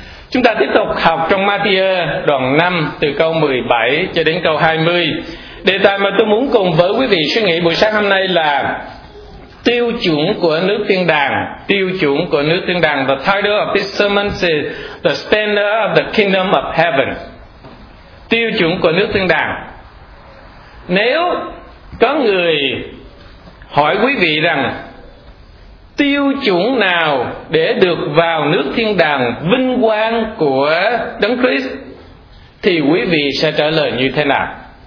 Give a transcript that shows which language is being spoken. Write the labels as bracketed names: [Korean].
[Vietnamese] Chúng ta tiếp tục học trong Ma-thi-ơ đoạn 5 từ câu 17 cho đến câu 20. Đề tài mà tôi muốn cùng với quý vị suy nghĩ buổi sáng hôm nay là tiêu chuẩn của nước thiên đàng, tiêu chuẩn của nước thiên đàng. [English] The title of this sermon is The Standard of the Kingdom of Heaven. [Vietnamese] Tiêu chuẩn của nước thiên đàng. Nếu có người hỏi quý vị rằng tiêu chuẩn nào để được vào nước thiên đàng vinh quang của Đấng Christ thì quý vị sẽ trả lời như thế nào?